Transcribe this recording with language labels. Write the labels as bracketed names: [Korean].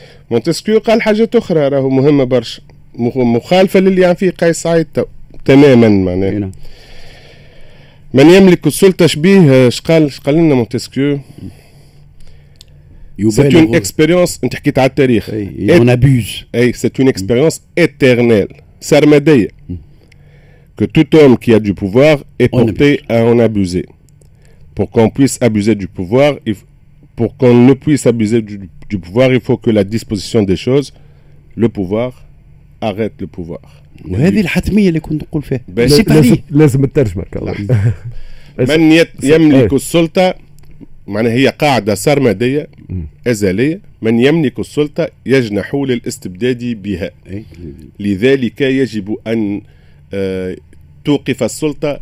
[Arabic] مونتسكيو قال حاجة اخرى راهو مهمة برشا. مخالفة للي يعني فيه قيس سعيد تماما معناه. من يملك السلطة شبيه شقال لنا مونتسكيو. [French] C'est une expérience, [Arabic] انت حكيت على التاريخ. [French] On abuse. Hey, c'est une expérience éternelle. [Arabic] سرمدية. [French] Que tout homme qui a du pouvoir est porté à en abuser. Pour qu'on puisse abuser du pouvoir, pour qu'on ne puisse abuser du pouvoir, il faut que la disposition des choses, le pouvoir, arrête le pouvoir. [Arabic] وهذه الحتمية اللي كنت نقول فيها. لازم الترجمة كلام. من يملك السلطة معناها هي قاعدة سرمادية أزلية. من يملك السلطة يجنح للاستبداد بها. لذلك يجب أن توقف السلطة